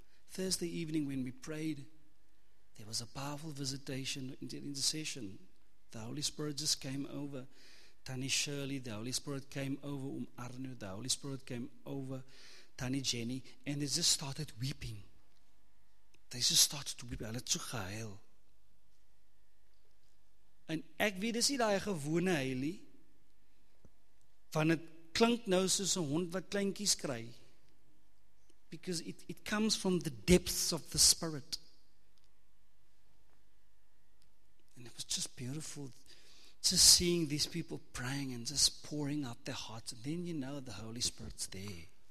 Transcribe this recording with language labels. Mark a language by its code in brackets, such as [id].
[en] 'Thursday evening when we prayed, there was a powerful visitation, intercession. The Holy Spirit just came over. Tani Shirley, the Holy Spirit came over. Arnu, the Holy Spirit came over. Tani Jenny, and they just started weeping. They just started to weep. Hulle het so gehuil. [af] En ek weet, dis nie die gewone huilie, want het klink nou soos 'n hond wat kleintjies kry. [en] Because it comes from the depths of the spirit. And it was just beautiful just seeing these people praying and just pouring out their hearts. And then you know the Holy Spirit's there.